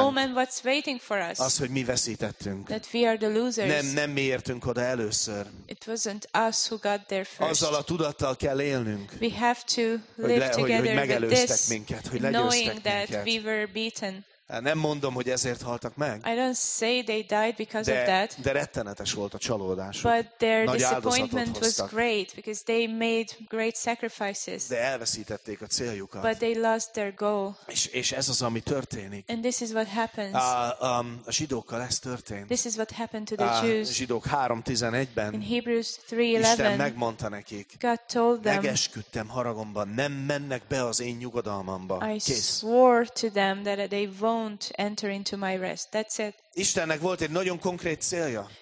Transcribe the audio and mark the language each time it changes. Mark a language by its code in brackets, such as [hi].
[en] home and what's waiting for us. [hu] Az, hogy mi veszítettünk. [en] That we are the losers. [hu] Nem mi értünk oda először. [en] It wasn't us who got there first. [hu] Azzal a tudattal kell élnünk. [en] We have to live together with this. [hu] Minket, hogy legyőztek [en] knowing [hu] minket. [en] That we were beaten. [hu] Nem mondom, hogy ezért haltak meg. [en] I don't say they died because of that. [hu] De rettenetes volt a csalódás. [en] But their [hu] Nagy [en] disappointment was great because they made great sacrifices. [hu] De elveszítették a céljukat. [en] But they lost their goal. [hu] És ez az, ami történik. [en] And this is what happens. [hu] A zsidókkal ez történt. [en] This is what happened to the Jews. [hu] Zsidók 3:11-ben. [en] In Hebrews 3:11. [hu] Isten megmondta nekik. [en] God told them. [hu] Megesküdtem haragomban, nem mennek be az én nyugodalmamba. [en] I swore to them that they won't enter into my rest. That's it. [hu] Istennek volt egy nagyon konkrét célja.